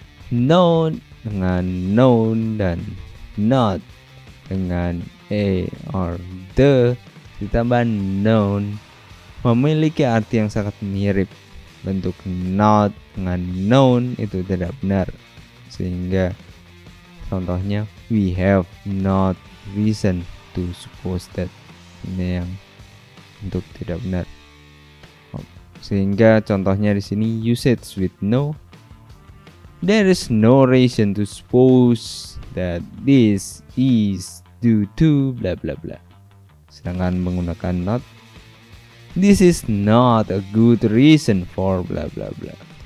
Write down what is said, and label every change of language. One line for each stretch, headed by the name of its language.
Indonesian: No dengan known dan not dengan a or the ditambah known memiliki arti yang sangat mirip. Bentuk not dengan known itu tidak benar. Sehingga contohnya,
English: we have not reason to suppose that.
Indonesian: Ini yang untuk tidak benar. Sehingga contohnya di sini,
English: usage with no. There is no reason to suppose that this is due to blah blah blah.
Indonesian: Sedangkan menggunakan
English: not, this is not a good reason for blah blah blah.